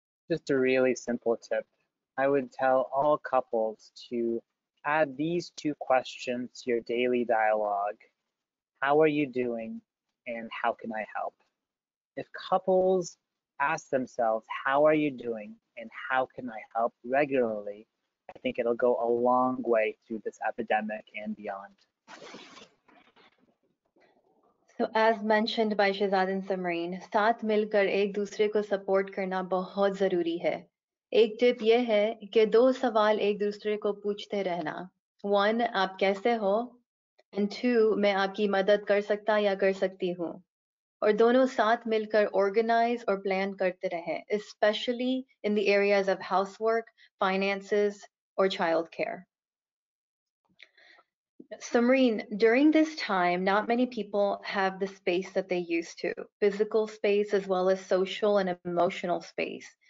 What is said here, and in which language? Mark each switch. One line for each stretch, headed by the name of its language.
English: Just a really simple tip. I would tell all couples to add these two questions to your daily dialogue: how are you doing and how can I help? If couples ask themselves, how are you doing and how can I help, regularly, I think it'll go a long way through this epidemic and beyond. So as mentioned by Shehzad and Samreen،
Urdu: ساتھ مل کر ایک دوسرے کو support کرنا بہت ضروری ہے۔ ایک ٹپ یہ ہے کہ دو سوال ایک دوسرے کو پوچھتے رہنا۔
English: One,
Urdu: آپ کیسے ہو؟
English: And two,
Urdu: میں آپکی مدد کر سکتا یا کر سکتی ہوں؟ Or dono saath milkar
English: organize or plan
Urdu: karte rahe,
English: especially in the areas of housework, finances, or childcare. So Maureen, during this time, not many people have the space that they used to, physical space as well as social and emotional space.